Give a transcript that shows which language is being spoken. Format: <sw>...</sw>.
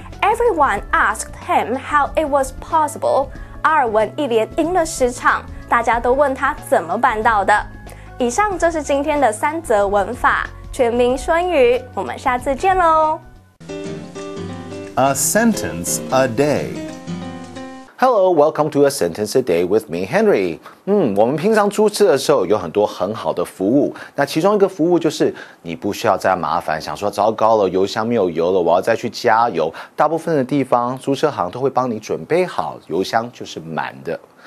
<en>Everyone asked him how it was possible.</en> <zh>阿尔文一连赢了十场，大家都问他怎么办到的。以上就是今天的三则文法，全民说英语，我们下次见咯。</zh> <en>A sentence a day. Hello, welcome to A Sentence a Day with me, Henry.</en> <zh>我们平常出差的时候有很多很好的服务，那其中一个服务就是你不需要再麻烦，想说糟糕了，油箱没有油了，我要再去加油。大部分的地方，租车行都会帮你准备好，油箱就是满的。</zh>